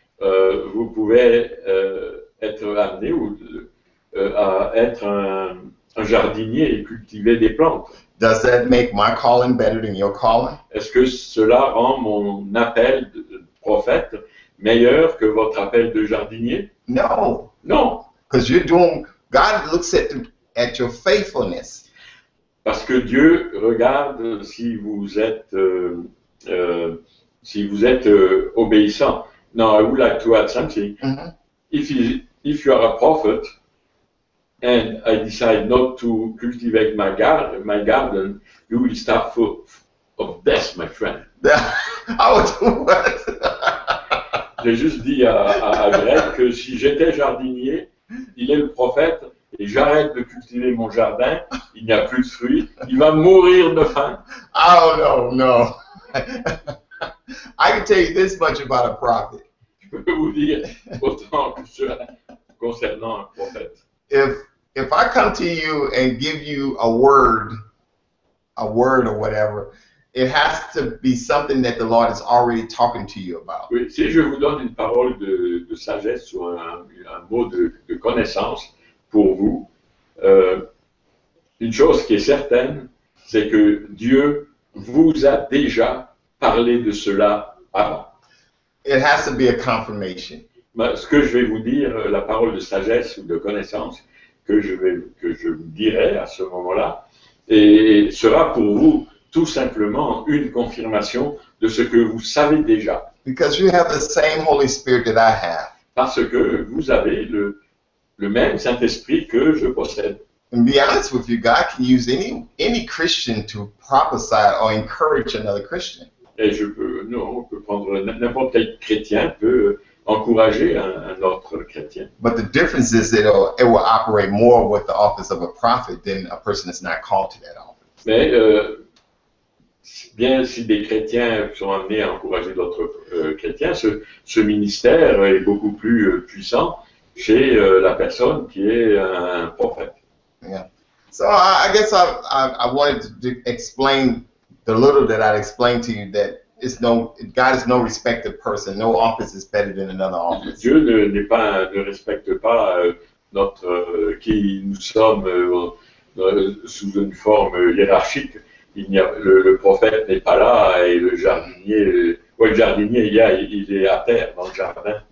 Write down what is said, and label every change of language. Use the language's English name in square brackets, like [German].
[French] Vous pouvez être amené à être un jardinier et cultiver des plantes. [English] Does that make my calling better than your calling? [French] Est-ce que cela rend mon appel de prophète meilleur que votre appel de jardinier? [English] No. [French] Non. [English] Because you're doing, God looks at your faithfulness. [French] Parce que Dieu regarde si vous êtes obéissant. [English] Now, I would like to add something. Mm-hmm. If you are a prophet and I decide not to cultivate my garden, you will start of death, my friend. I would do what? [French] J'ai juste dit à Greg que si j'étais jardinier, il est le prophète, et j'arrête de cultiver mon jardin, il n'y a plus de fruits, il va mourir de faim. Oh non, non. [English] I can tell you this much about a prophet. [French] Je peux vous dire autant que cela concernant un prophète. [English] If I come to you and give you a word or whatever, it has to be something that the Lord is already talking to you about. [French] Oui, si je vous donne une parole de sagesse ou un mot de connaissance pour vous, une chose qui est certaine, c'est que Dieu vous a déjà parlé de cela avant. [English] It has to be a confirmation. [French] Mais ce que je vais vous dire, la parole de sagesse ou de connaissance que je vous dirai à ce moment-là, et sera pour vous tout simplement une confirmation de ce que vous savez déjà. [English] Because you have the same Holy Spirit that I have. [French] Parce que vous avez le même Saint-Esprit que je possède. [English] And be honest with you, God can use any Christian to prophesy or encourage another Christian. [French] Et on peut prendre n'importe quel chrétien peut encourager un autre chrétien. [English] But the difference is that it will operate more with the office of a prophet than a person that's not called to that office. [French] Mais bien si des chrétiens sont amenés à encourager d'autres chrétiens, ce ministère est beaucoup plus puissant chez la personne qui est un prophète. [English] Yeah. So I guess I wanted to explain the little that I explained to you, that God is no respected person. No office is better than another office. [French] Dieu ne respecte pas notre qui nous sommes sous une forme hiérarchique. Il n'y a le prophète n'est pas là et le jardinier il est à terre dans le jardin.